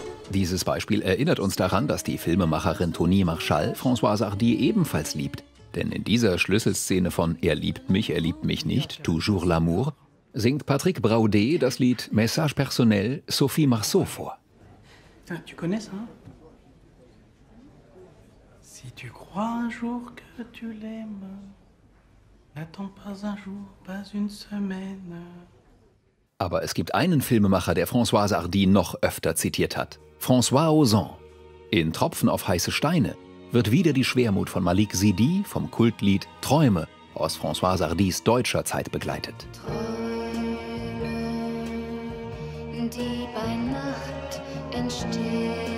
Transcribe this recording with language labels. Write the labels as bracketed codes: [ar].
[de] Dieses Beispiel erinnert uns daran, dass die Filmemacherin Toni Marshall Françoise Hardy ebenfalls liebt. Denn in dieser Schlüsselszene von er liebt mich nicht, toujours l'amour, singt Patrick Braudet das Lied Message personnel Sophie Marceau vor. [fr] Ah, tu connais ça? Si tu crois un jour que tu l'aimes, n'attends pas un jour, pas une semaine. [de] Aber es gibt einen Filmemacher, der Françoise Hardy noch öfter zitiert hat. François Ozon. In Tropfen auf heiße Steine wird wieder die Schwermut von Malik Zidi vom Kultlied Träume aus Françoise Hardys deutscher Zeit begleitet. Träume, die bei Nacht entstehen.